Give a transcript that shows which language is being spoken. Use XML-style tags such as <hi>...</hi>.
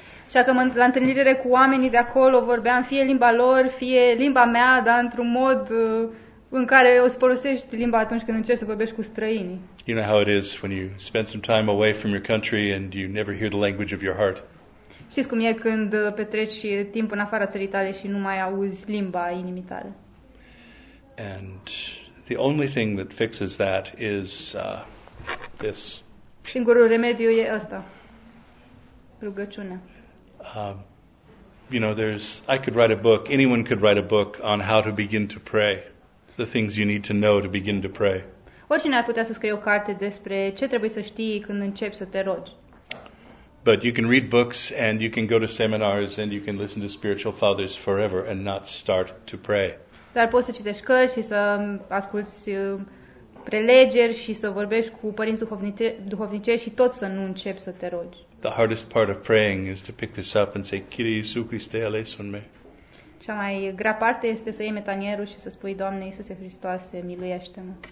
<ro>Și că la întâlnirile cu oamenii de acolo vorbeam fie limba lor, fie limba mea, dar într-un mod în care o folosești limba atunci când încerci să vorbești cu străinii.</ro> <en>You know how it is when you spend some time away from your country and you never hear the language of your heart.</en> <ro>Știți cum e când petreci timp în afara țării tale și nu mai auzi limba inimii tale.</ro> <en>And the only thing that fixes that is this.</en> <ro>Singurul remediu e ăsta. Rugăciunea.</ro> <en>You know, I could write a book, anyone could write a book on how to begin to pray. The things you need to know to begin to pray.</en> <ro>Oricine ar putea să scrie o carte despre ce trebuie să știi când începi să te rogi.</ro> <en>But you can read books and you can go to seminars and you can listen to spiritual fathers forever and not start to pray.</en> <ro>Dar poți să citești cărți și să asculți prelegeri și să vorbești cu părinți duhovnicești și tot să nu începi să te rogi.</ro> <en>The hardest part of praying is to pick this up and say,</en> <el>Kyrie Iisu Christe eleison me.</el> <ro>Cea mai grea parte este să iei metanierul și să spui, Doamne Iisuse Hristoase, miluiește-mă.</ro>